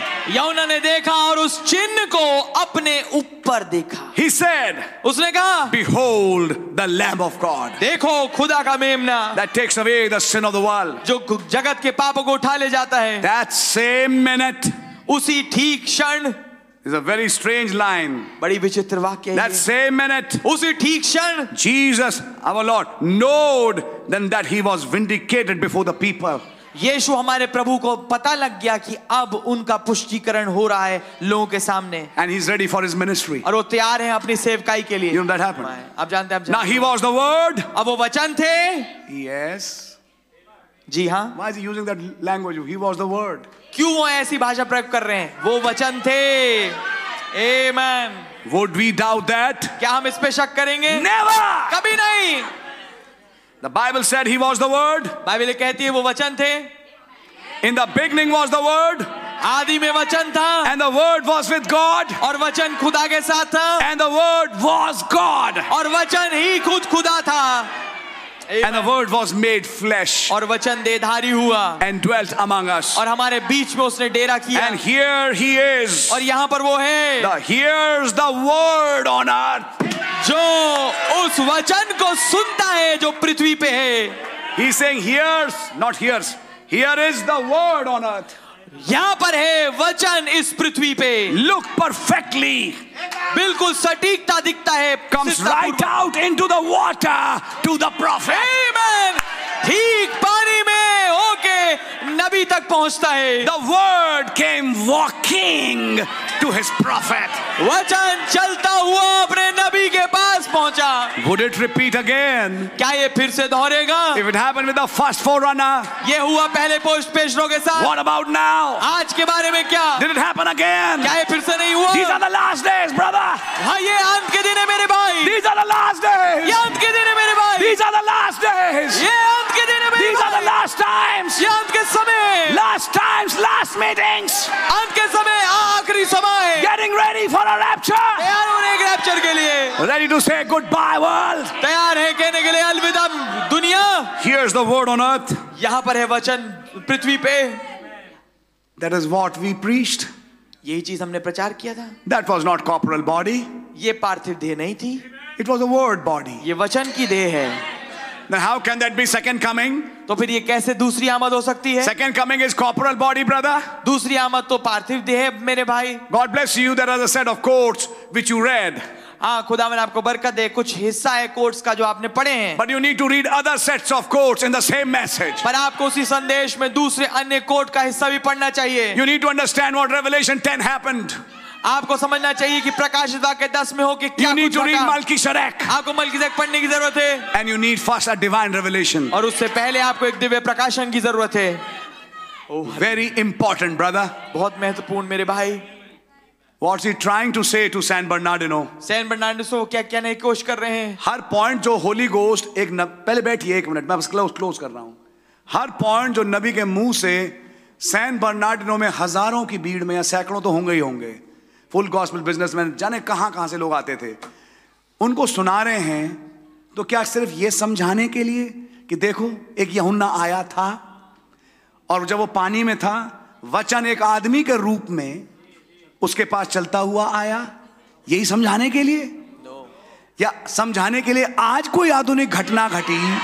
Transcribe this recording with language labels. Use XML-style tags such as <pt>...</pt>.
<hi>यूहन्ना ने देखा और उस चिन्ह को अपने ऊपर देखा।</hi> <en>He said,</en> <hi>उसने कहा,</hi> <en>Behold the Lamb of God.</en> <hi>देखो खुदा का मेमना।</hi> <en>That takes away the sin of the world.</en> <hi>जो जगत के पापों को उठा ले जाता है।</hi> <en>That same minute.</en> <hi>उसी ठीक क्षण।</hi> <en>Is a very strange line.</en> <hi>बड़ी विचित्र वाक्य है।</hi> <en>That same minute.</en> <hi>उसी ठीक क्षण।</hi> <en>Jesus, our Lord, knowed then that he was vindicated before the people.</en> <hi>यीशु हमारे प्रभु को पता लग गया कि अब उनका पुष्टिकरण हो रहा है लोगों के सामने</hi> <en>and he is ready for his ministry</en> <hi>और वो तैयार हैं अपनी सेवकाई के लिए</hi> <en>you know that happened</en> <hi>अब जानते हैं</hi> <en>now he was the word</en> <hi>अब वो वचन थे</hi> <en>yes</en> <hi>जी हां</hi> <en>why is he using that language he was the word</en> <hi>क्यों वो ऐसी भाषा प्रयोग कर रहे हैं वो वचन थे आमेन</hi> <en>would we doubt that</en> <hi>क्या हम इस पे शक करेंगे</hi> <en>never</en> <hi>कभी नहीं</hi> <en>The Bible said he was the word.</en> <hi>Bible कहती है वो वचन थे.</hi> <en>In the beginning was the word.</en> <hi>आदि में वचन था.</hi> <en>And the word was with God.</en> <hi>और वचन खुदा के साथ था.</hi> <en>And the word was God.</en> <hi>और वचन ही खुद खुदा था.</hi> <en>And the word was made flesh.</en> <hi>और वचन देहधारी हुआ.</hi> <en>And dwelt among us.</en> <hi>और हमारे बीच में उसने डेरा किया.</hi> <en>And here he is.</en> <hi>और यहाँ पर वो है.</hi> <en>The here's the word on earth.</en> <hi>जो उस वचन को सुनता है जो पृथ्वी पे है</hi> <en>He is saying hears, not hears. Here is the word on earth.</en> <hi>यहां पर है वचन इस पृथ्वी पे</hi> <en>Look perfectly.</en> <hi>बिल्कुल सटीकता दिखता है</hi> <en>Comes right out into the water to the prophet. Amen.</en> <hi>ठीक पानी में होके नबी तक पहुंचता है</hi> <en>The word came walking to his prophet.</en> <hi>वचन चलता हुआ अपने नबी के पास पहुंचा</hi> <en>Would it repeat again?</en> <hi>क्या ये फिर से दोहरेगा</hi> <en>If it happened with the first forerunner,</en> <hi>ये हुआ पहले पेशरों के साथ</hi> <en>What about now?</en> <hi>आज के बारे में क्या</hi> <en>Did it happen again?</en> <hi>क्या ये फिर से नहीं हुआ</hi> <en>These are the last days, brother.</en> <hi>हाँ ये अंत के दिन है मेरे भाई</hi> <en>These are the last days.</en> <hi>ये अंत के दिन है मेरे भाई</hi> <en>These are the last days.</en> <hi>ये अंत के दिन है मेरे</hi> <en>These are the last times.</en> <hi>ये अंत के समय</hi> <en>Last times, last meetings.</en> <hi>अंत के समय आखिरी समय</hi> <en>Getting ready for a rapture.</en> <hi>तैयार होने के rapture के लिए</hi> <en>Ready to say goodbye world.</en> <hi>तैयार है कहने के लिए अलविदा दुनिया</hi> <en>Here's the word on earth.</en> <hi>यहाँ पर है वचन पृथ्वी पे</hi> <en>That is what we preached.</en> <hi>यही चीज हमने प्रचार किया था</hi> <en>That was not corporal body.</en> <hi>ये पार्थिव देह नहीं थी</hi> <en>It was a word body.</en> <hi>ये वचन की देह है</hi> <en>Then how can that be second coming?</en> <hi>तो फिर ये कैसे दूसरी आमद हो सकती है?</hi> <en>Second coming is corporal body, brother.</en> <hi>दूसरी आमद तो पार्थिव देह है मेरे भाई.</hi> <en>God bless you. There are a set of quotes which you read.</en> <hi>हाँ, खुदा मैंने आपको बरकत दे कुछ हिस्सा है quotes का जो आपने पढ़े हैं.</hi> <en>But you need to read other sets of quotes in the same message.</en> <hi>पर आपको उसी संदेश में दूसरे अन्य quote का हिस्सा भी पढ़ना चाहिए.</hi> <en>You need to understand what Revelation 10 happened.</en> <hi>आपको समझना चाहिए कि प्रकाशित वाक्य 10 में हो कि क्या कुछ होगा।</hi> <en>You need to read Melchizedek.</en> <hi>आपको Melchizedek पढ़ने की जरूरत है।</hi> <en>And you need first a divine revelation.</en> <hi>और उससे पहले आपको एक दिव्य प्रकाशन की जरूरत है।</hi> <en>Oh, very important, brother.</en> <hi>बहुत महत्वपूर्ण मेरे भाई।</hi> <en>What's he trying to say to San Bernardino?</en> <hi>San Bernardino, क्या क्या नहीं कोशिश कर रहे हैं? हर point जो Holy Ghost एक पहले बैठिए एक मिनट मैं बस close कर रहा हूँ। हर point जो नबी के मुंह से San Bernardino में हजारों की भीड़ में या सैकड़ों तो होंगे ही होंगे फुल गॉस्पेल बिजनेसमैन जाने कहां कहां से लोग आते थे उनको सुना रहे हैं तो क्या सिर्फ ये समझाने के लिए कि देखो एक यहुन्ना आया था और जब वो पानी में था वचन एक आदमी के रूप में उसके पास चलता हुआ आया यही समझाने के लिए या समझाने के लिए आज कोई आधुनिक घटना घटी</hi>